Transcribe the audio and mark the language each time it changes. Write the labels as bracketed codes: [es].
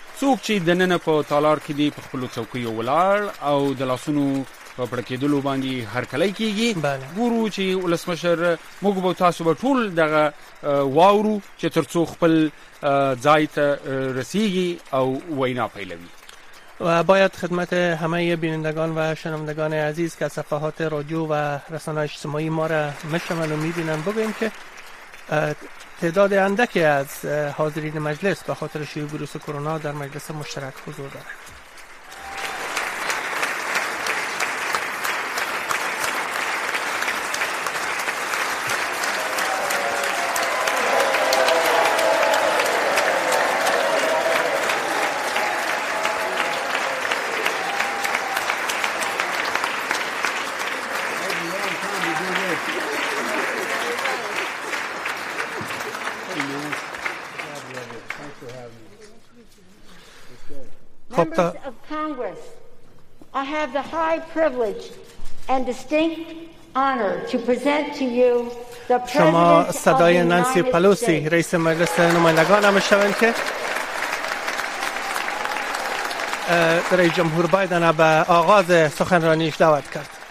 [ps] څوک چې دننه په تالار کې دي په خپلو څوکیو ولاړ او د لاسونو په پړکېدلو باندې هرکلی کیږي. ګورو چې ولسمشر، موږ به تاسو به ټول دغه واورو چې تر څو خپل ځای ته رسیږي او وینا پیلوي. [fa] و باید خدمت همه بینندگان و شنوندگان عزیز که صفحات رادیو و رسانه اجتماعی ما را میشنون و میبینن بگویم که تعداد اندکی از حاضرین مجلس به خاطر شیوع ویروس کرونا در مجلس مشترک حضور دارند. [en] Members of Congress, I have the high privilege and distinct honor to present to you the President of the United States. [fa] شما صدای نانسی پلوسی رئیس مجلس نمایندگان که جمهور بایدن به آغاز سخنرانیش دعوت کرد.